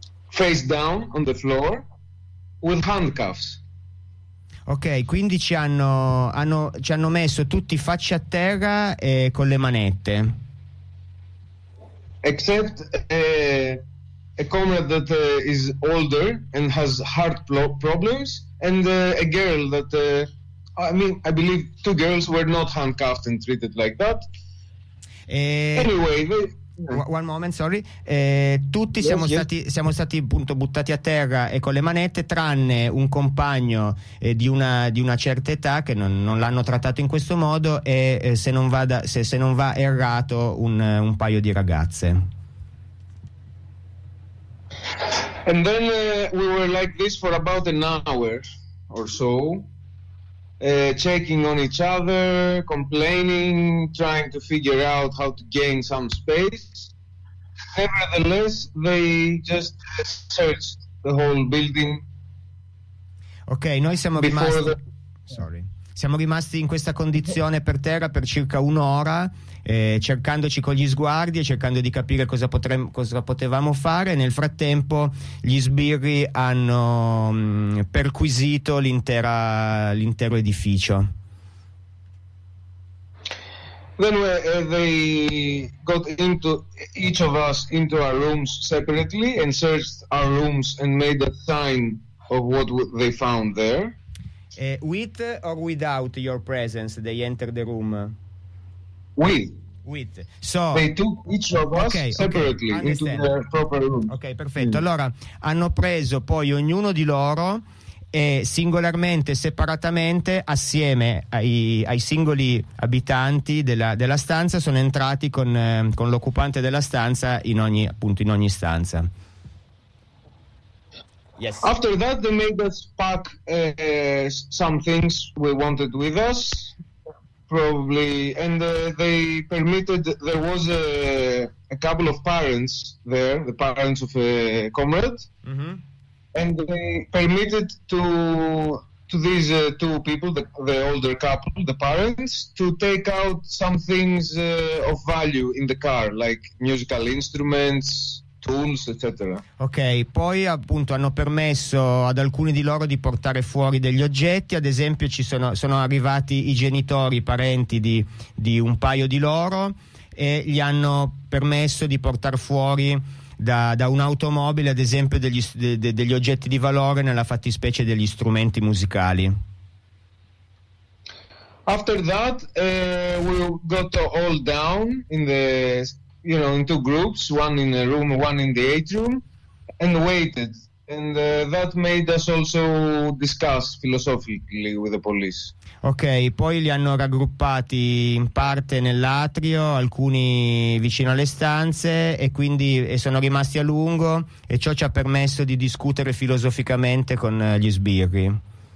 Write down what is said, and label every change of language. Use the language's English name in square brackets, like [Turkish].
[English] Face down on the floor with handcuffs. [Italian] Ok, quindi ci hanno messo tutti faccia a terra e con le manette. [English] Except a comrade that is older and has heart problems, and a girl that, I believe two girls were not handcuffed and treated like that. Anyway, one moment, sorry. [Italian] Tutti [English] yes, [Italian] siamo, [English] yes. [Italian] Siamo stati appunto buttati a terra e con le manette, tranne un compagno di una certa età che non l'hanno trattato in questo modo e se non va errato un paio di ragazze. [English] And then we were like this for about an hour or so, checking on each other, complaining, trying to figure out how to gain some space. Nevertheless, they just searched the whole building. [Italian] Ok, noi siamo rimasti siamo rimasti in questa condizione per terra per circa un'ora, cercandoci con gli sguardi e cercando di capire cosa potevamo fare. Nel frattempo gli sbirri hanno perquisito l'intero edificio. [English] Then they got into each of us into our rooms separately and searched our rooms and made a sign of what they found there. With or without your presence, they entered the room. With. So they took each of us separately into their proper room. [Italian] Ok, perfetto. Allora hanno preso poi ognuno di loro e singolarmente, separatamente, assieme ai singoli abitanti della stanza, sono entrati con l'occupante della stanza in ogni stanza. [English] Yes. After that, they made us pack some things we wanted with us, probably, and they permitted. There was a couple of parents there, the parents of a comrade, and they permitted to these two people, the older couple, the parents, to take out some things of value in the car, like musical instruments. Tools, [Italian] eccetera. Ok, poi appunto hanno permesso ad alcuni di loro di portare fuori degli oggetti. Ad esempio, ci sono arrivati i genitori, i parenti di un paio di loro, e gli hanno permesso di portare fuori da un'automobile, ad esempio, degli oggetti di valore, nella fattispecie degli strumenti musicali. [English] After that, we got all down in the, you know, in two groups, one in the room, one in the atrium, and waited. And that made us also discuss philosophically with the police. [Italian] Ok, poi li hanno raggruppati in parte nell'atrio, alcuni vicino alle stanze, e quindi sono rimasti a lungo, e ciò ci ha permesso di discutere filosoficamente con gli sbirri.